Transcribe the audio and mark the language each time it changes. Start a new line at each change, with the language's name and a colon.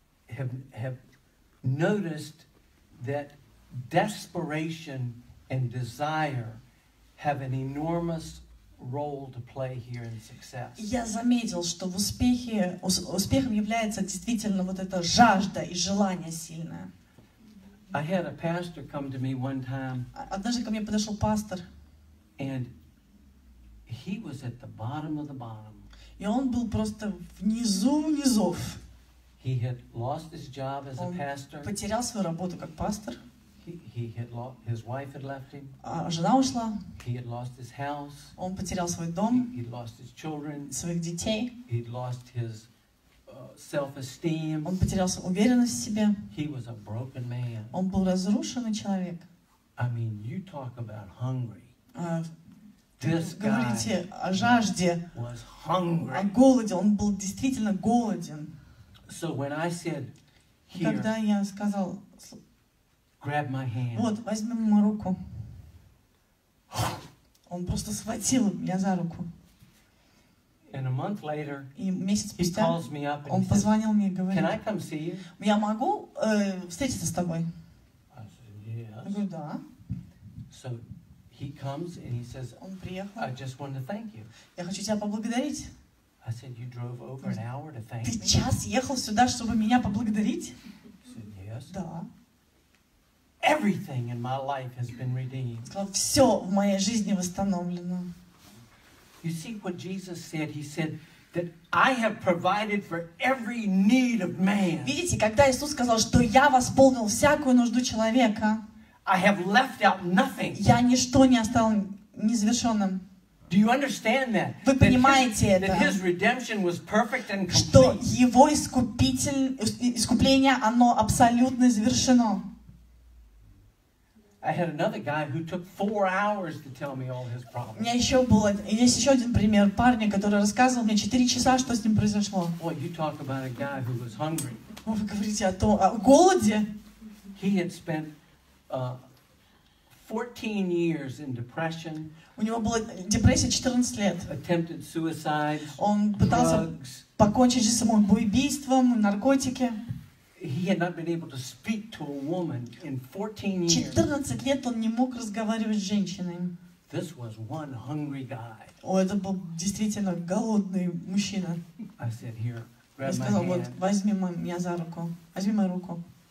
English: I have noticed that desperation and desire have an enormous role to play here in success.
Russian: Я заметил, что в успехе успехом является действительно вот эта жажда и желание сильное.
English: I had a pastor come to me one time.
Russian: Однажды ко мне подошел пастор.
English: And he was at the bottom of the bottom.
Russian: И он был просто внизу низов.
English: He had lost his job as
Russian: он
English: a pastor.
Russian: Потерял свою работу как пастор.
English: His wife had left him.
Russian: Жена ушла.
English: He had lost his house.
Russian: Он потерял свой дом.
English: He'd lost his children.
Russian: Своих детей.
English: He'd lost his self-esteem.
Russian: Он потерял свою уверенность в себе.
English: He was a broken man.
Russian: Он был разрушенный человек.
English: I mean, you talk about hungry. This guy
Russian: говорите о жажде.
English: Was hungry.
Russian: О голоде. Он был действительно голоден.
English: So when I said, here,
Russian: когда я сказал,
English: grab my hand.
Russian: Вот, возьми мою руку. Он просто схватил меня за руку.
English: And a month later,
Russian: и месяц спустя,
English: he calls me up
Russian: он позвонил мне и говорит,
English: can I come see you?
Russian: Я могу встретиться с тобой?
English: I said, yes.
Russian: Я говорю, да.
English: So he comes and he says,
Russian: он приехал.
English: I just want to thank you.
Russian: Я хочу тебя поблагодарить.
English: I said, you drove over an hour to thank
Russian: ты
English: me?
Russian: Час ехал сюда, чтобы меня поблагодарить?
English: I said, yes.
Russian: Да.
English: Everything in my life has been redeemed.
Russian: Все в моей жизни восстановлено.
English: You see what Jesus said? He said that I have provided for every need of man.
Russian: Видите, когда Иисус сказал, что я восполнил всякую нужду человека.
English: I have left out nothing.
Russian: Я ничто не оставил незавершенным.
English: Do you understand that?
Russian: Вы понимаете это?
English: That his redemption was perfect and complete.
Russian: Что его искупление, оно абсолютно завершено.
English: I had another guy who took 4 hours to tell me all his problems.
Russian: У меня еще был, есть еще один пример парня, который рассказывал мне 4 часа, что с ним произошло.
English: Boy, you talk about a guy who was hungry.
Russian: Вы говорите о том, о голоде.
English: He had spent 14 years in depression.
Russian: У него была депрессия 14 лет.
English: Attempted suicide.
Russian: Он пытался покончить с самоубийством, наркотики.
English: He had not been able to speak to a woman in 14 years.
Russian: 14 лет он не мог разговаривать с женщиной.
English: This was one hungry guy.
Russian: Oh, это был действительно голодный мужчина.
English: I said, here, grab my hand.
Russian: Я сказал, вот, возьми меня за руку. Возьми мою руку.